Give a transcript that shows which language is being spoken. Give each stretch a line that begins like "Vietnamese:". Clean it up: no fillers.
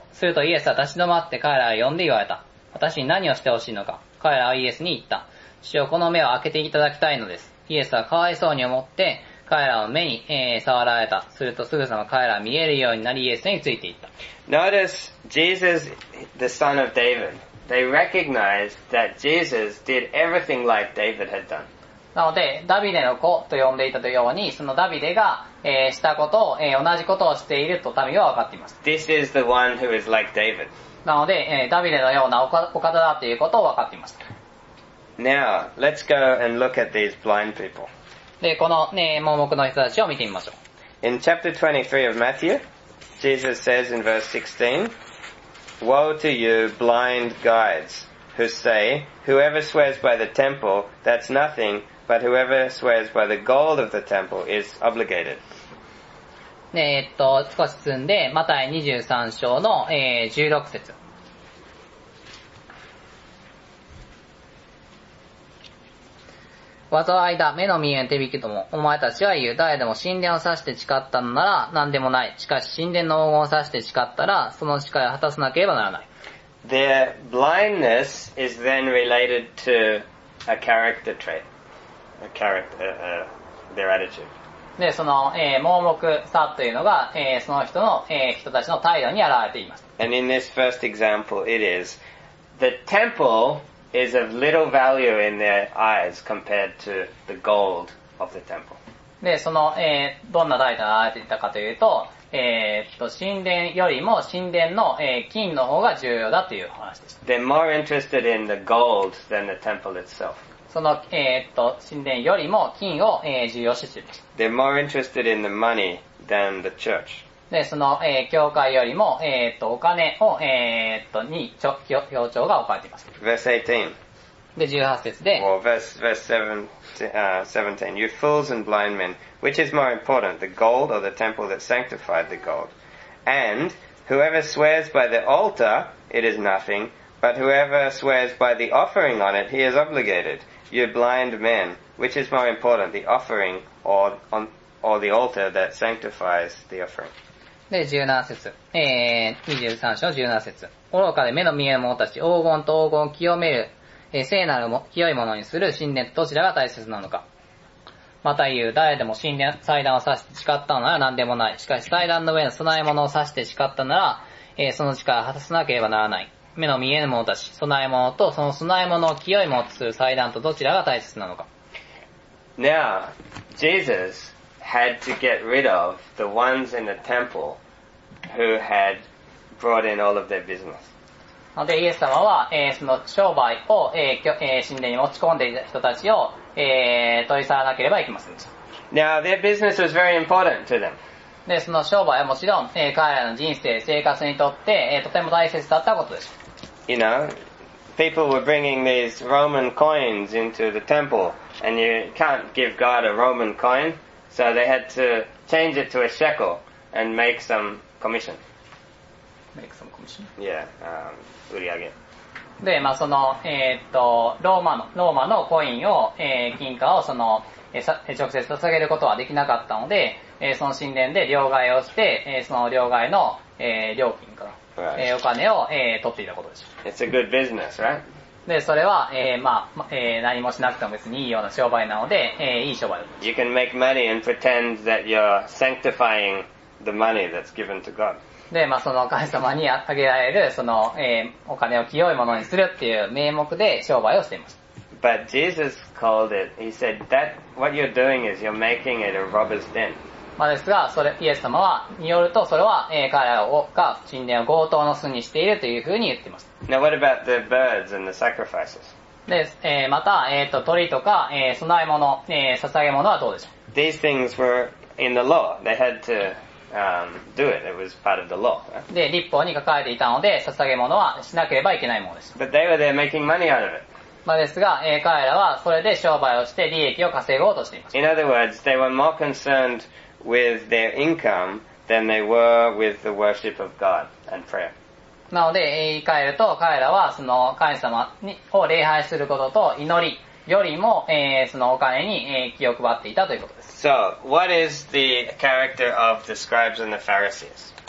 Japanese: するとイエスは立ち止まって彼らを呼んで言われた。私に何をしてほしいのか。彼らはイエスに言った。主よ、この目を開けていただきたいのです。イエスはかわいそうに思って、彼らの目に、触られた。するとすぐさま彼らは見えるようになり、イエスについていった。
English: Notice Jesus, the son of David. They recognized that Jesus did everything like David had done.
Japanese: なので、ダビデの子と呼んでいたというように、そのダビデが、したことを、同じことをしていると民は分かっています。
English: This is the one who is like David.
Japanese: なので、ダビデのようなお方だということを分かっていました。
English: Now, let's go and look at these blind people.
Japanese: で、この、ね、盲目の人たちを見てみましょう。
English: In chapter 23 of Matthew, Jesus says in verse 16, Woe to you blind guides who say, Whoever swears by the temple, that's nothing, but whoever swears by the gold of the temple is obligated.
Japanese: ね、少し進んで、マタイ23章の、16節。災いだ、目の見えん手引きども、お前たちは言う、誰でも神殿を指して誓ったのなら、何でもない。しかし、神殿の黄金を指して誓ったら、その誓いを果たさなければならない。
English: Their blindness is then related to a character trait. A character, their attitude.
Japanese: で、その、盲目さというのが、その人の、人たちの態度に表れています。
English: And in this first example, it is, the temple is of little value in their eyes compared to the gold of the temple.
Japanese: で、その、どんな態度が表れていたかというと、神殿よりも神殿の、金の方が重要だという話です。
English: They're more interested in the gold than the temple itself.
Japanese: その、神殿よりも金を、重要視しています。
English: They're more interested in the money than the church.
Japanese: で、その、教会よりも、お金を、に強調が置かれています。
English: Verse 18.
Japanese: で、18節で。
English: Or verse 17. You fools and blind men, which is more important, the gold or the temple that sanctified the gold? And whoever swears by the altar, it is nothing, but whoever swears by the offering on it, he is obligated. You blind men, which is more important, the offering or the altar that sanctifies the offering?
Japanese: で、17節。23章の17節。愚かで目の見える者たち、黄金と黄金を清める、聖なるも清いものにする神殿とどちらが大切なのか。また言う、誰でも神殿、祭壇を指して誓ったのなら何でもない。しかし祭壇の上の供え物を指して誓ったなら、その誓いを果たさなければならない。目の見えぬ者たち、備え物とその備え物を清い者とする祭壇とどちらが大切なのか。
English: Now, Jesus had to get rid of the ones in the temple who had brought in all of their business.
Japanese: なので、イエス様は、その商売を、神殿に持ち込んでいた人たちを、取り去らなければいけませんでした。
English: Now, their business was very important to them.
Japanese: で、その商売はもちろん、彼らの人生、生活にとって、とても大切だったことです。
English: You know, people were bringing these Roman coins into the temple, and you can't give God a Roman coin, so they had to change it to a shekel and make some commission. Make some commission?
Japanese: Yeah, 売り上げ。で、まあ、その、ローマのコインを、金貨をその、直接捧げることはできなかったので、その神殿で両替をして、その両替の、料金から、
English: right.
Japanese: お金を、取っていたことでし
English: ょう。It's a good business, right?
Japanese: で、それは、まあ何もしなくても別にいいような商売なので、いい商売だと。
English: You can make money and pretend that you're sanctifying the money that's given to God.
Japanese: で、まあその神様にあげられる、その、お金を清いものにするっていう名目で商売をしていました。
English: But Jesus called it, he said, that what you're doing is you're making it a robber's den.
Japanese: まあ、ですが、それ、イエス様は、によると、それは、彼らが、神殿を強盗の巣にしているというふうに言っています。
English: Now, what about the birds and the sacrifices?
Japanese: で、また、鳥とか、供え物、捧げ物はどうでしょう。
English: These things were in the law. They had to do it. It was part of the law.
Japanese: で、立法に書かれていたので、捧げ物はしなければいけないものです。
English: But they were there making money out of it.
Japanese: まあですが、彼らはそれで商売をして利益を稼ごうとしています。
English: In other words, they were more concerned with their income than they were with the worship of God and prayer.
Japanese: なので、言い換えると、彼らは、その、神様を礼拝することと、祈りよりも、そのお金に気を配っていたということです。
English: So, what is the character of the scribes and the Pharisees?